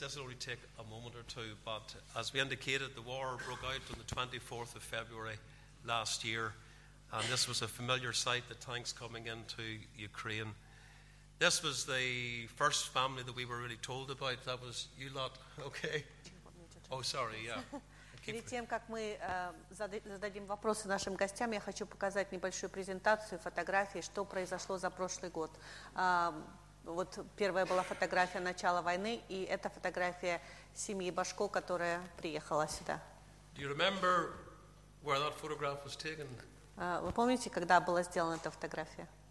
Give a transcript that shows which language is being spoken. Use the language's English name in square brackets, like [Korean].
[English] This will only take a moment or two, but as we indicated, the war broke out on the 24th of February last year, and this was a familiar sight, the tanks coming into Ukraine. This was the first family that we were really told about. That was you lot, okay? Oh, sorry, yeah. [Russian] Перед тем, как мы зададим вопросы нашим гостям, я хочу показать небольшую презентацию, фотографии, что произошло за прошлый год. Вот первая была фотография начала войны, и это фотография семьи Башко, которая приехала сюда. [English] Do you remember where that photograph was taken? [Russian] Вы помните, когда была сделана эта фотография?